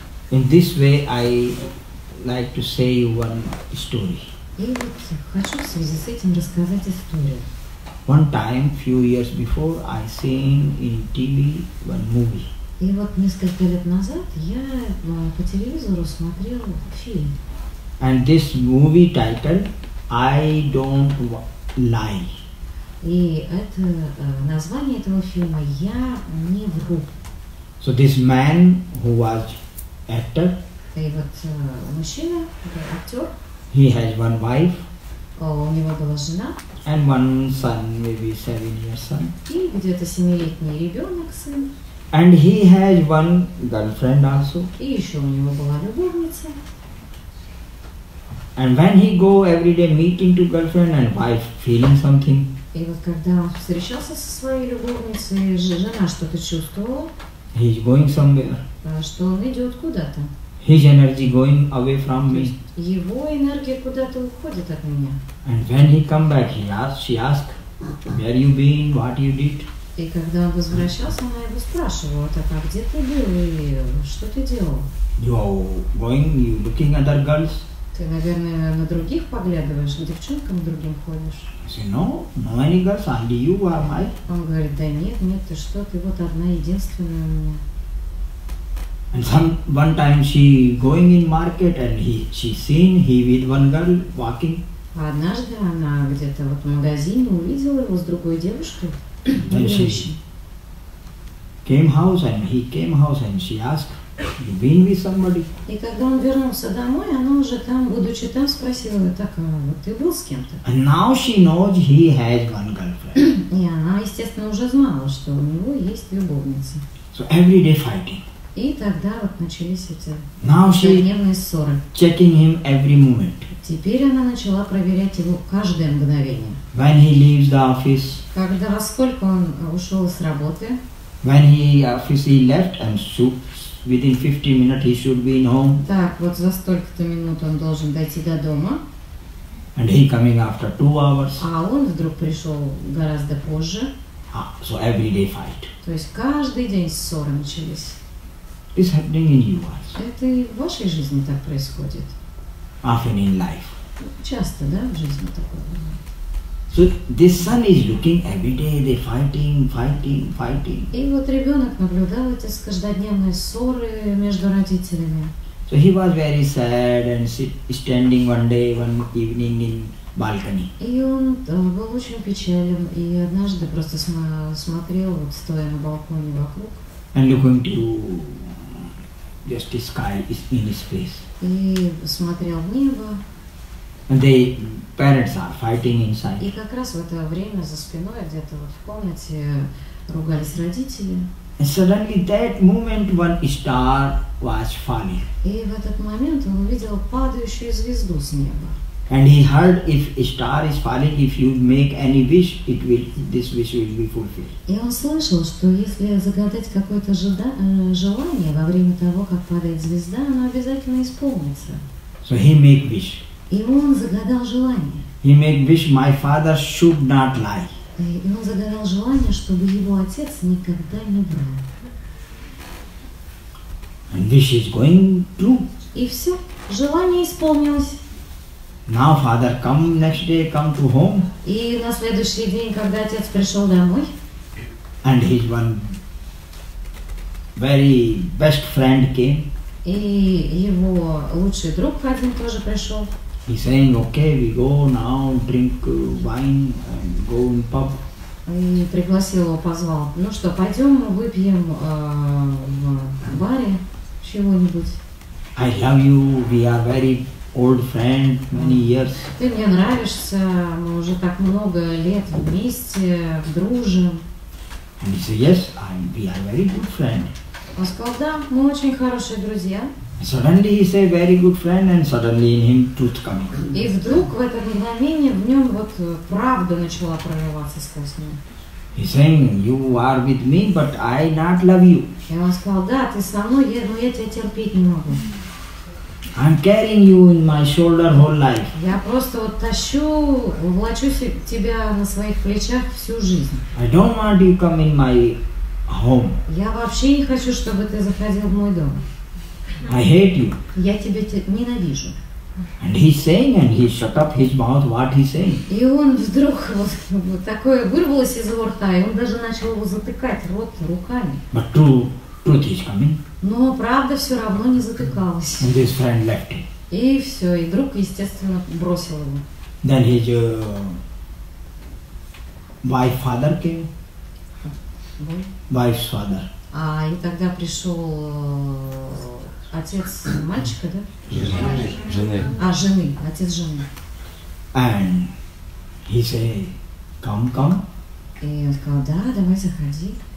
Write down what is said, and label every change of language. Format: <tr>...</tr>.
<en>In this way, I like to say you one story.</en> <ru>И вот хочу в связи с этим рассказать историю.</ru> <en>One time, few years before, I seen in TV one movie.</en> <ru>И вот несколько лет назад я по телевизору смотрел фильм.</ru> <en>And this movie title, I don't lie.</en> <ru>И это название этого фильма «Я не вру».</ru> <en>So this man who was actor.</en> <ru>И вот мужчина, актер.</ru> <en>He has one wife.</en> <ru>У него была жена.</ru> <en>And one son, maybe 7 years son.</en> <ru>И где-то 7-летний ребенок сын.</ru> <en>And he has one girlfriend also.</en> <ru>И еще у него была любовница.</ru> <en>And when he go every day meeting to girlfriend and wife feeling something.</en> <ru>И вот когда он встречался со своей любовницей, жена что-то чувствовала.</ru> <en>He's going somewhere.</en> <ru>Что он идет куда-то.</ru> <en>His energy going away from me.</en> <ru>Его энергия куда-то уходит от меня.</ru> <en>And when he come back, she ask, where you been, what you did?</en> <ru>И когда он возвращался, она его спрашивала, так, а где ты был и что ты делал?</ru> <en>You going, you looking other girls?</en> <ru>Ты, наверное, на других поглядываешь, на девчонкам другим ходишь.</ru> <en>I say, no, no any girls, only you are my.</en> <ru>Он говорит, да нет, нет, ты что, ты вот одна единственная у меня.</ru> <en>And one time she going in market and she seen he with one girl walking.</en> <ru>А однажды она где-то вот в магазине увидела его с другой девушкой.</ru> <en>Then she came house and he came house and she asked, you been with somebody?</en> <ru>И когда он вернулся домой, она уже там, будучи там, спросила, так, вот ты был с кем-то?</ru> <en>And now she knows he has one girlfriend.</en> <ru>И она, естественно, уже знала, что у него есть любовница.</ru> <en>So every day fighting.</en> <ru>И тогда вот начались эти ежедневные ссоры.</ru> <en>Checking him every moment.</en> <ru>Теперь она начала проверять его каждое мгновение.</ru> <en>When he leaves the office.</en> <ru>Когда, во сколько он ушел с работы?</ru> <en>When he office left and within 15 minutes he should be in home.</en> <ru>Так, вот за столько-то минут он должен дойти до дома.</ru> <en>And he coming after 2 hours.</en> <ru>А он вдруг пришел гораздо позже.</ru> <en>So every day fight.</en> <ru>То есть каждый день ссоры начались.</ru> <en>This happening in yours.</en> <ru>Это и в вашей жизни так происходит.</ru> <en>Often in life.</en> <ru>Часто, да, в жизни такое.</ru> <en>So this son is looking every day, they fighting.</en> <ru>И вот ребенок наблюдал эти каждодневные ссоры между родителями.</ru> <en>So he was very sad and standing one evening in balcony.</en> <ru>И он был очень печален и однажды просто смотрел вот стоя на балконе вокруг.</ru> <en>And looking to just the sky is in his face.</en> <ru>И смотрел в небо.</ru> <en>And the parents are fighting inside.</en> <ru>И как раз в это время за спиной где-то вот в комнате ругались родители.</ru> <en>And suddenly that moment one star was falling.</en> <ru>И в этот момент он увидел падающую звезду с неба.</ru> <en>And he heard if a star is falling, if you make any wish, this wish will be fulfilled.</en> <ru>И он слышал, что если загадать какое-то желание во время того, как падает звезда, оно обязательно исполнится.</ru> <en>So he make wish.</en> <ru>И он загадал желание.</ru> <en>He made wish my father should not lie.</en> <ru>И он загадал желание, чтобы его отец никогда не врал.</ru> <en>And wish is going true.</en> <ru>И все, желание исполнилось.</ru> <en>Now father come next day come to home.</en> <ru>И на следующий день, когда отец пришел домой.</ru> <en>And his one very best friend came.</en> <ru>И его лучший друг один тоже пришел.</ru> <en>He saying, okay, we go now, drink wine and go in pub.</en> <ru>И пригласил его, позвал. Ну что, пойдем выпьем в баре чего-нибудь.</ru> <en>I love you, we are very old friend, many years.</en> <ru>Ты мне нравишься, мы уже так много лет вместе, дружим.</ru> <en>And he said, yes, we are very good friend.</en> <ru>Он сказал, да, мы очень хорошие друзья.</ru> <en>Suddenly he say very good friend and suddenly in him truth coming.</en> <ru>И вдруг в это мгновение в нем вот правда начала прорываться сквозь него.</ru> <en>He saying you are with me, but I not love you.</en> <ru>И он сказал, да, ты со мной, но я тебя терпеть не могу.</ru> <en>I'm carrying you in my shoulder whole life.</en> <ru>Я просто вот тащу, влачу тебя на своих плечах всю жизнь.</ru> <en>I don't want you come in my home.</en> <ru>Я вообще не хочу, чтобы ты заходил в мой дом.</ru> <en>I hate you.</en> <ru>Я тебя ненавижу.</ru> <en>And he's saying, and he shut up his mouth, what he's saying.</en> <ru>И он вдруг вот такое вырвалось из его рта, и он даже начал его затыкать рот руками.</ru> <en>But truth is coming.</en> <ru>Но правда все равно не затыкалась.</ru> <en>And his friend left him.</en> <ru>И все, и друг, естественно, бросил его.</ru> <en>Then his wife's father came. Wife's father.</en> <ru>А, и тогда пришел отец мальчика, да? Жены. А, жены, отец жены.</ru> <en>And he say, come.</en> <ru>И он сказал, да, давай заходи.</ru>